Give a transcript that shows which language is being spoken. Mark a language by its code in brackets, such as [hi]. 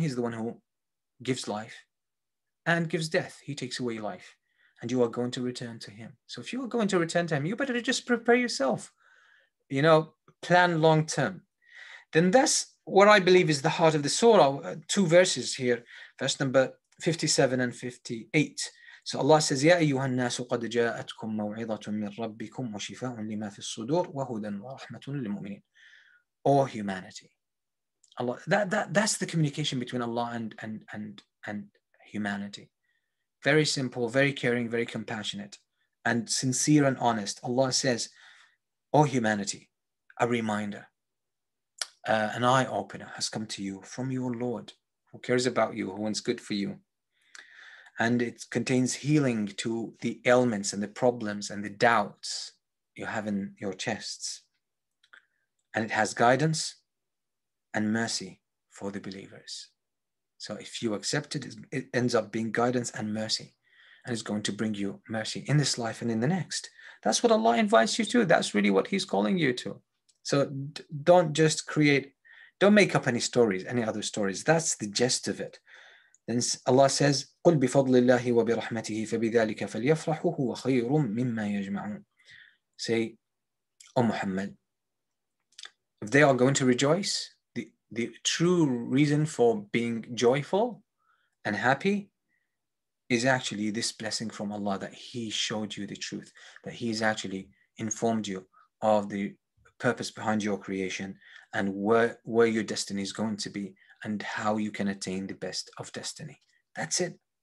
[en] He's the one who gives life and gives death. He takes away life. And you are going to return to him. So if you are going to return to him, you better just prepare yourself. You know, plan long term. Then that's what I believe is the heart of the surah. Two verses here, verse number 57 and 58. [ar] So Allah says, يَا أَيُّهَا النَّاسُ قَدْ جَاءَتْكُمْ مَوْعِظَةٌ مِّن رَبِّكُمْ وَشِفَاءٌ لِمَا فِي الصُّدُورِ وَهُدًى وَرَحْمَةٌ لِلْمُؤْمِنِينَ. [en] All humanity. Allah, that's the communication between Allah and humanity. Very simple, very caring, very compassionate, and sincere and honest. Allah says, O humanity, a reminder, an eye-opener has come to you from your Lord, who cares about you, who wants good for you. And it contains healing to the ailments and the problems and the doubts you have in your chests. And it has guidance and mercy for the believers. So if you accept it, it ends up being guidance and mercy, and is going to bring you mercy in this life and in the next. That's what Allah invites you to. That's really what he's calling you to. So don't make up any stories, any other stories. That's the gist of it. [ar] Then Allah says, قُلْ بِفَضْلِ اللَّهِ وَبِرَحْمَتِهِ فَبِذَلِكَ فَلْيَفْرَحُوا هُوَ خَيْرٌ مِمَّا يَجْمَعُونَ. [en] Say, O Muhammad, if they are going to rejoice, the true reason for being joyful and happy is actually this blessing from Allah, that he showed you the truth, that he has actually informed you of the purpose behind your creation and where your destiny is going to be and how you can attain the best of destiny. That's it.